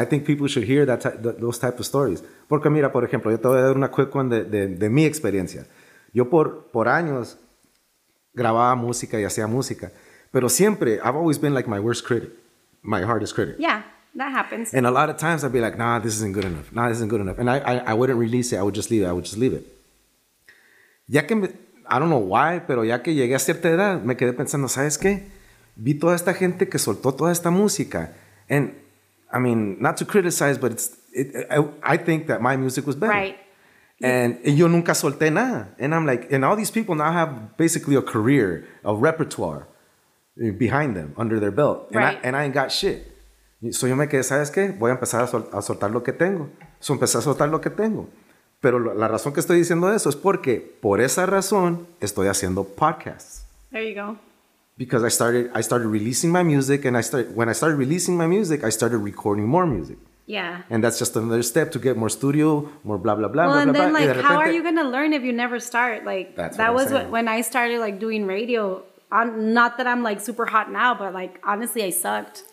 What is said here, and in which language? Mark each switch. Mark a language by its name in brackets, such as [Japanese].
[English] I think people should hear those type of stories. [Spanish] Porque mira, por ejemplo, yo te voy a dar una [English] quick one [Spanish] de mi experiencia. Yo por años grababa música y hacía música. Pero siempre, [English] I've always been like my worst critic, my hardest critic. Yeah. That happens. And a lot of times I'd be like, nah, this isn't good enough. Nah, this isn't good enough. And I wouldn't release it. I would just leave it. [Spanish] Ya que, [English] I don't know why, [Spanish] pero ya que llegué a cierta edad, me quedé pensando, ¿sabes qué? Vi toda esta gente que soltó toda esta música. [English] And, I mean, not to criticize, but I think that my music was better. Right. [Spanish] And yo nunca solté nada. [English] And I'm like, and all these people now have basically a career, a repertoire behind them, under their belt. Right. And I ain't got shit. So [Spanish] yo me quedé, ¿sabes qué? Voy a empezar a soltar lo que tengo. So empecé a soltar lo que tengo. Pero la razón que estoy diciendo eso es porque por esa razón estoy haciendo podcasts. [English] There you go. Because I started releasing my music and when I started releasing my music, I started recording more music. Yeah. And that's just another step to get more studio, more blah, blah, blah, well, blah, and blah, then, blah. Like, and how are you going to learn if you never start? Like, when I started like doing radio. Not that I'm like super hot now, but like honestly, I sucked.